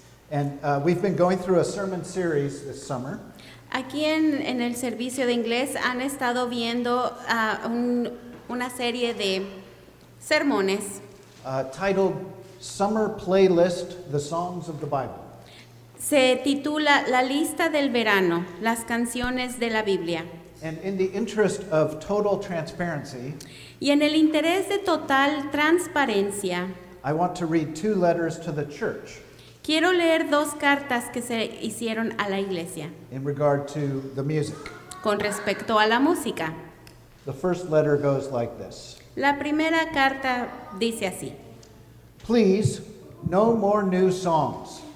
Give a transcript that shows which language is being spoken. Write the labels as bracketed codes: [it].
[en] And we've been going through a sermon series this summer. [es] Aquí en el servicio de inglés han estado viendo una serie de sermones. [en] Titled Summer Playlist, The Songs of the Bible. [es] Se titula La Lista del Verano, Las Canciones de la Biblia. [en] And in the interest of total transparency, [es] y en el interés de total transparencia, [en] I want to read two letters to the church. [es] Quiero leer dos cartas que se hicieron a la iglesia. [en] In regard to the music. [es] Con respecto a la música. [en] The first letter goes like this. [es] La primera carta dice así. [en] Please, no more new songs.